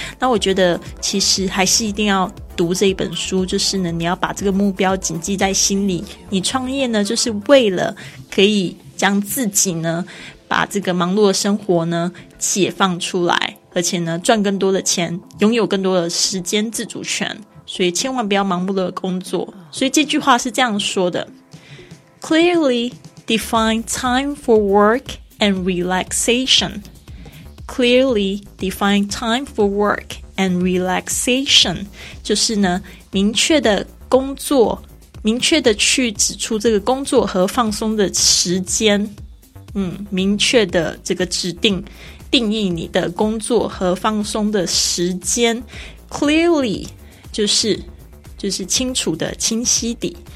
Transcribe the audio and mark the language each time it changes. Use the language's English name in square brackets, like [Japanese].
[Chinese] 那我觉得其实还是一定要读这一本书，就是呢你要把这个目标谨记在心里，你创业呢就是为了可以将自己呢把这个忙碌的生活呢解放出来，而且呢赚更多的钱，拥有更多的时间自主权，所以千万不要盲目的工作。所以这句话是这样说的， [English] Clearly define time for work and relaxation. Clearly define time for work and relaxation. [Chinese] 就是呢明确的工作，明确的去指出这个工作和放松的时间，明确的这个定义你的工作和放松的时间。 Clearly 就是清楚的，清晰的。